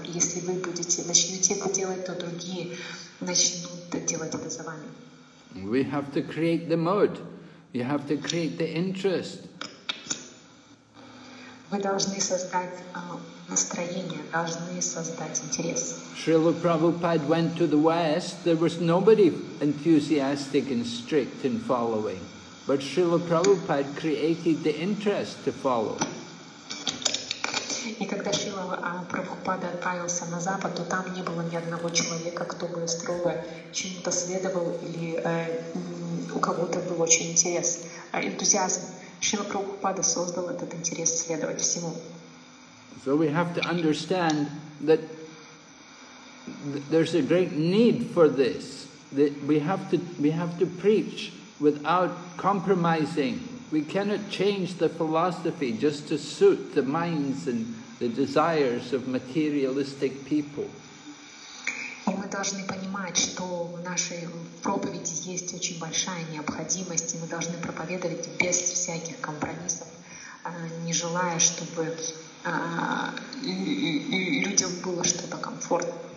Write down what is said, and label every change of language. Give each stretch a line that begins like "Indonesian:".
Russian: И если вы будете начнете это делать, то другие начнут делать это за вами.
English: We have to create the mood. You have to create the interest.
Russian: Вы должны создать настроение, должны создать интерес.
English: Srila Prabhupada went to the West. There was nobody enthusiastic and strict in following. But Srila Prabhupada created the interest to follow.
Russian: И когда Шрила Прабхупада отправился на Запад, то там не было ни одного человека, кто бы строго чему-то следовал или у кого-то был очень интерес, энтузиазм. Шрила Прабхупада создал этот интерес следовать всему.
English: So we have to understand that there's a great need for this. That we have to preach without compromising. We cannot change the philosophy just to suit the minds and the desires of materialistic people.
Russian: И мы должны понимать, что в нашей проповеди есть очень большая необходимость, и мы должны проповедовать без всяких компромиссов, не желая, чтобы людям было что-то комфортно.